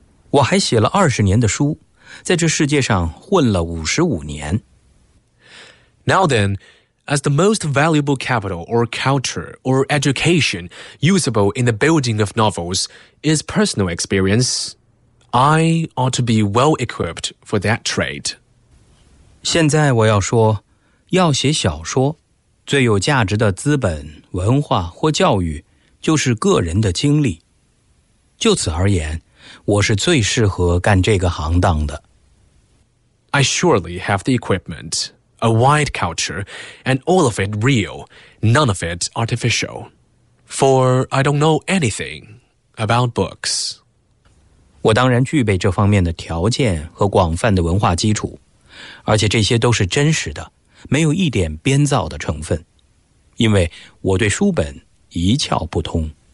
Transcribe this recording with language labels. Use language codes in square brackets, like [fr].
[zh] 我还写了20年的书，在这世界上混了55年。 [en] Now then,As the most valuable capital or culture or education usable in the building of novels is personal experience, I ought to be well equipped for that trade. [zh] 现在我要说，要写小说，最有价值的资本、文化或教育就是个人的经历。就此而言，我是最适合干这个行当的。 [en] I surely have the equipment. A wide culture, and all of it real, none of it artificial. For I don't know anything about books. [zh] 我当然具备这方面的条件和广泛的文化基础，而且这些都是真实的，没有一点编造的成分，因为我对书本一窍不通。